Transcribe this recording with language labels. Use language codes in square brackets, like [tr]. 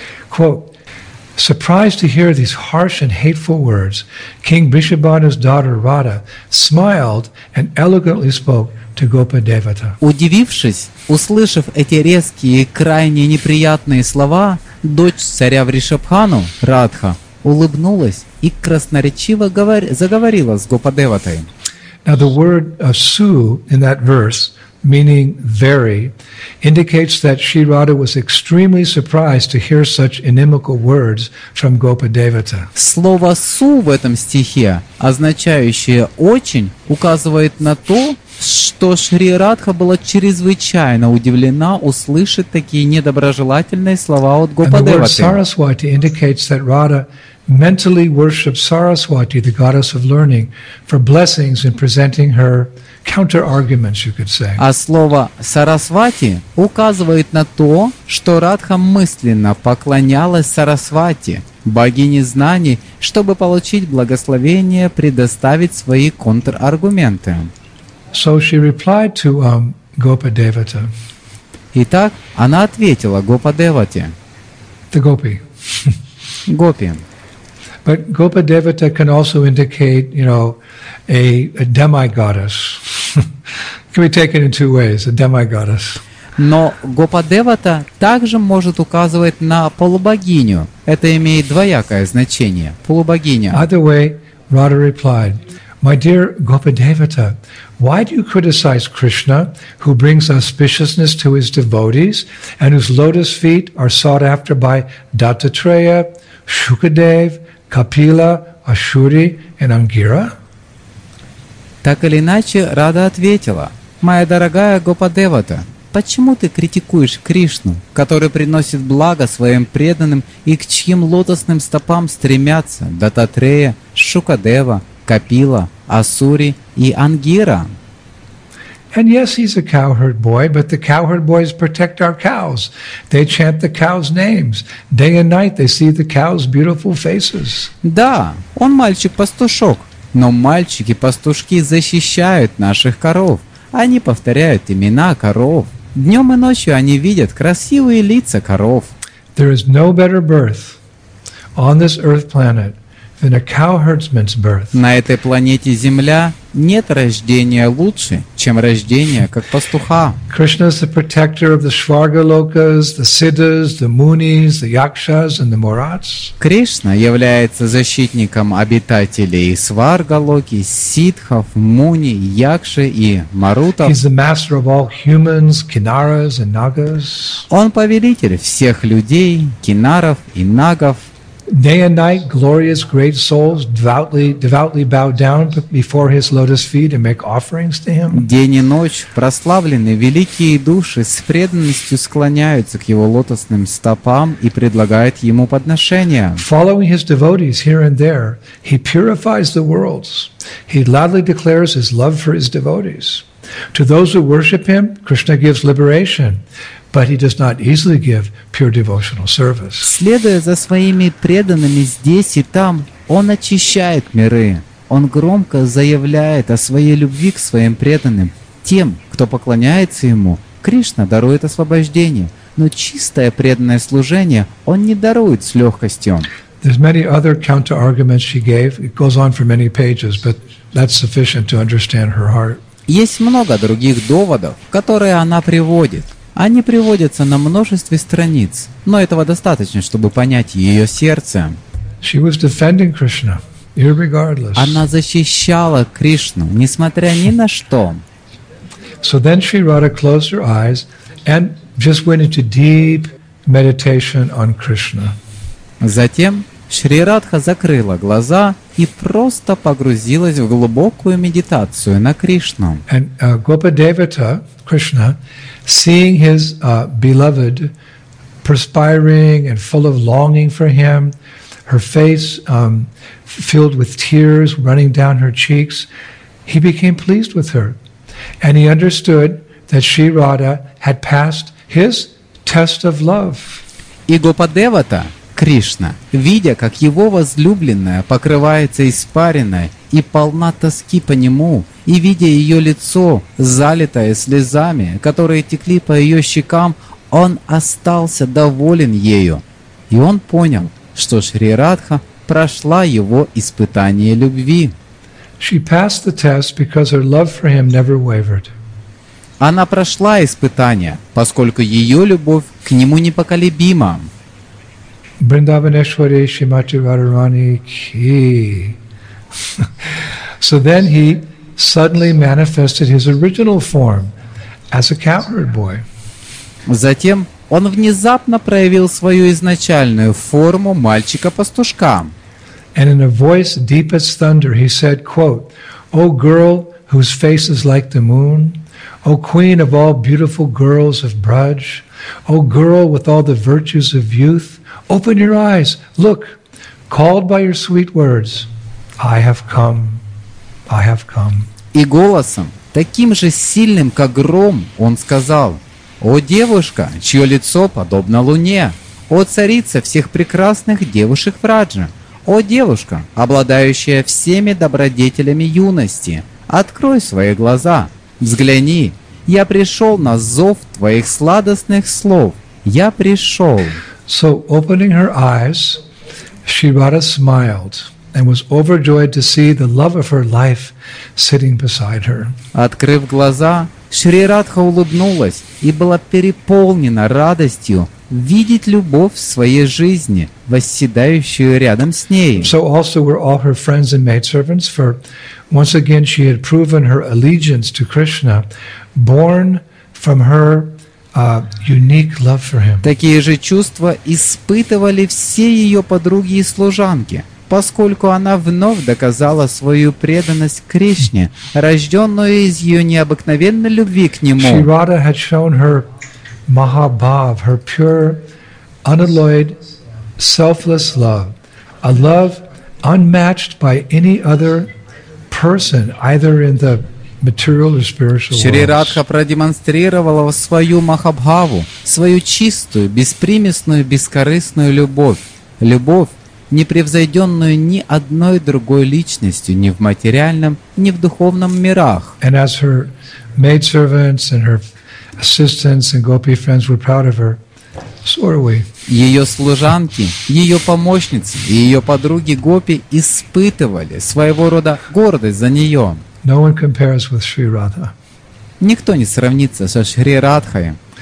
[en] Quote, surprised to hear these harsh and hateful words, King Vrishabhanu's daughter Radha smiled and elegantly spoke to Gopa Devata. [ru] Удивившись, услышав эти резкие и крайне неприятные слова, дочь царя Вришабхану, Радха, улыбнулась и красноречиво заговорила с Гопа-деватой. [en] Now the word su in that verse, meaning very, indicates that Sri Radha was extremely surprised to hear such inimical words from Gopa-devata. [ru] Слово су в этом стихе, означающее очень, указывает на то, что Шри Радха была чрезвычайно удивлена услышать такие недоброжелательные слова от Гопа-деваты. [en] And the word Saraswati indicates that Radha mentally worshipped Saraswati, the goddess of learning, for blessings in presenting her counter-arguments, you could say. [ru] А слово Сарасвати указывает на то, что Радха мысленно поклонялась Сарасвати, богине знаний, чтобы получить благословение предоставить свои контраргументы. [en] So she replied to Gopa Devata. [ru] Итак, она ответила Гопа Девате. [en] The Gopi. [ru] Gopi. [en] But Gopa Devata can also indicate, you know, a demigoddess. Can be taken in two ways, a demigoddess. [ru] Но Гопа Девата также может указывать на полубогиню. Это имеет двоякое значение. Полубогиня. [en] Either way, Radha replied, my dear Gopa Devata, why do you criticize Krishna, who brings auspiciousness to his devotees and whose lotus feet are sought after by Dattatreya, Shukadev, Kapila, Ashuri, and Angira? [ru] Так или иначе, Рада ответила, моя дорогая Гопа Девата, почему ты критикуешь Кришну, который приносит благо своим преданным и к чьим лотосным стопам стремятся Дататрея, Шукадева, Капила, Асури и Ангира? [en] And yes, he's a cowherd boy, but the cowherd boys protect our cows. They chant the cows' names. Day and night they see the cows' beautiful faces. [ru] Да, он мальчик-пастушок, но мальчики-пастушки защищают наших коров. Они повторяют имена коров. Днем и ночью они видят красивые лица коров. [en] There is no better birth on this earth planet than a cowherdsman's birth. [ru] На этой планете Земля нет рождения лучше, чем рождение как пастуха. [en] Krishna is the protector of the Svargalokas, the Siddhas, the Munis, the Yakshas, and the Murats. [ru] Кришна является защитником обитателей Сваргалоки, Сидхов, Муни, Якши и Марутов. [en] He's the master of all humans, Kinaras and Nagas. [ru] Он повелитель всех людей, Кинаров и Нагов. [en] Day and night, glorious great souls devoutly bow down before his lotus feet and make offerings to him. [ru] День и ночь прославленные великие души с преданностью склоняются к его лотосным стопам и предлагают ему подношения. [en] Following his devotees here and there, he purifies the worlds. He loudly declares his love for his devotees. To those who worship him, Krishna gives liberation. But he does not easily give pure devotional service. [ru] Следуя за своими преданными здесь и там, он очищает миры. Он громко заявляет о своей любви к своим преданным. Тем, кто поклоняется ему, Кришна дарует освобождение. Но чистое преданное служение он не дарует с легкостью. [en] There's many other counter-arguments she gave. It goes on for many pages, but that's sufficient to understand her heart. [ru] Есть много других доводов, которые она приводит. Они приводятся на множестве страниц, но этого достаточно, чтобы понять ее сердце. [en] She was defending Krishna, irregardless. [ru] Она защищала Кришну, несмотря ни на что. [en] So then Sri Radha closed her eyes and just went into deep meditation on Krishna. [ru] Затем Шри Радха закрыла глаза и просто погрузилась в глубокую медитацию на Кришну. [en] And Gopa Devata, Krishna, seeing his beloved perspiring and full of longing for him, her face filled with tears running down her cheeks, he became pleased with her. And he understood that Sri Radha had passed his test of love. [ru] И Гопа Девата, Кришна, видя, как его возлюбленная покрывается испариной и полна тоски по нему, и, видя ее лицо, залитое слезами, которые текли по ее щекам, он остался доволен ею. И он понял, что Шри Радха прошла его испытание любви. [en] She passed the test because her love for him never wavered. [ru] Она прошла испытание, поскольку ее любовь к нему непоколебима. [hi] Бриндаванешвари Шримати Радхарани ки. [en] So then he suddenly manifested his original form as a cowherd boy. [ru] Затем он внезапно проявил свою изначальную форму мальчика-пастушка. [en] And in a voice deep as thunder, he said, quote, "O girl whose face is like the moon, O queen of all beautiful girls of Braj, O girl with all the virtues of youth, open your eyes, look, called by your sweet words, I have come, I have come." [ru] И голосом, таким же сильным, как гром, он сказал, «О девушка, чье лицо подобно луне, о царица всех прекрасных девушек Враджа, о девушка, обладающая всеми добродетелями юности, открой свои глаза, взгляни, я пришел на зов твоих сладостных слов, я пришел». [en] So, opening her eyes, Shivara smiled and was overjoyed to see the love of her life sitting beside her. [ru] Открыв глаза, Шри Радха улыбнулась и была переполнена радостью видеть любовь в своей жизни, восседающую рядом с ней. [en] So also were all her friends and maidservants, for once again she had proven her allegiance to Krishna, born from her unique love for him. [ru] Такие же чувства испытывали все ее подруги и служанки, поскольку она вновь доказала свою преданность Кришне, рожденную из ее необыкновенной любви к Нему. [en] Шри Радха had shown her Mahabhav, her pure, unalloyed, selfless love, a love unmatched by any other person, either in the material or spiritual worlds. [ru] Шри Радха продемонстрировала свою Махабхаву, свою чистую, беспримесную, бескорыстную любовь, любовь, непревзойденную ни одной другой личностью, ни в материальном, ни в духовном мирах. [en] And as her maidservants and her assistants and gopi friends were proud of her, so are we. [ru] Ее служанки, ее помощницы и ее подруги гопи испытывали своего рода гордость за нее. [en] No one compares with Shri Radha. [ru] Никто не сравнится со Шри Радхой.